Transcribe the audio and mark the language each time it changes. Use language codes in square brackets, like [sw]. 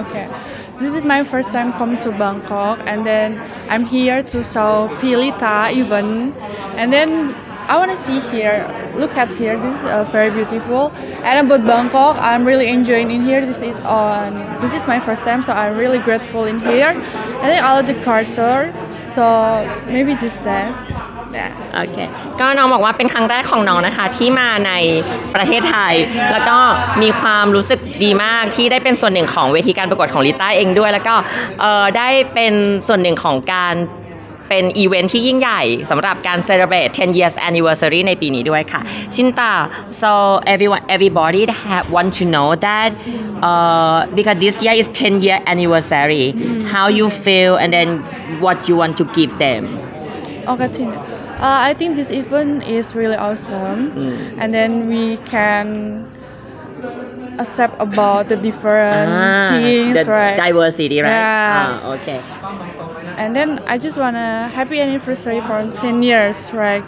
[en] Okay, this is my first time come to Bangkok, and then I'm here to show Pilita even, and then I wanna see here. Look at here. This is very beautiful. And about Bangkok, I'm really enjoying in here. This is my first time, so I'm really grateful in here, and then all of the culture. So maybe just that. [th] โอเคก็น้องบอกว่าเป็นครั้งแรกของน้องนะคะที่มาในประเทศไทยแล้วก็มีความรู้สึกดีมากที่ได้เป็นส่วนหนึ่งของเวทีการประกวดของลิต้าเองด้วยแล้วก็ได้เป็นส่วนหนึ่งของการเป็นอีเวนท์ที่ยิ่งใหญ่สำหรับการ [en] celebrate 10 years anniversary [th] ในปีนี้ด้วยค่ะชินตา [en] so everybody have want to know that because this year is 10 year anniversary how you feel and then what you want to give them Okay, Tina. I think this event is really awesome. And then we can accept about the different things, the right? Diversity, right? Yeah. Okay. And then I just want a happy anniversary for 10 years, right?